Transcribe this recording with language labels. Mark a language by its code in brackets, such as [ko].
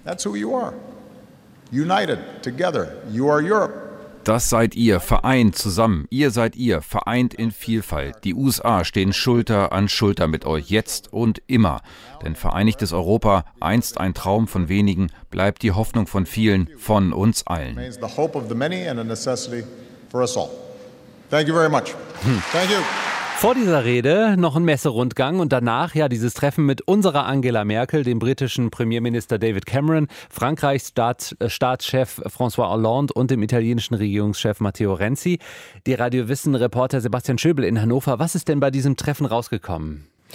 [en] That's who you are. United, together, you are Europe. [de] Das seid ihr, vereint zusammen. Ihr seid ihr, vereint in Vielfalt. Die USA stehen Schulter an Schulter mit euch, jetzt und immer. Denn vereinigtes Europa, einst ein Traum von wenigen, bleibt die Hoffnung von vielen, von uns allen. [en] The hope of the many and a necessity for us all. Thank you very much. Thank you. [de] Vor dieser Rede noch ein Messerundgang und danach ja dieses Treffen mit unserer Angela Merkel, dem britischen Premierminister David Cameron, Frankreichs Staatschef François Hollande und dem italienischen Regierungschef Matteo Renzi. Die Radio Wissen Reporter Sebastian Schöbel in Hannover. Was ist denn bei diesem Treffen rausgekommen?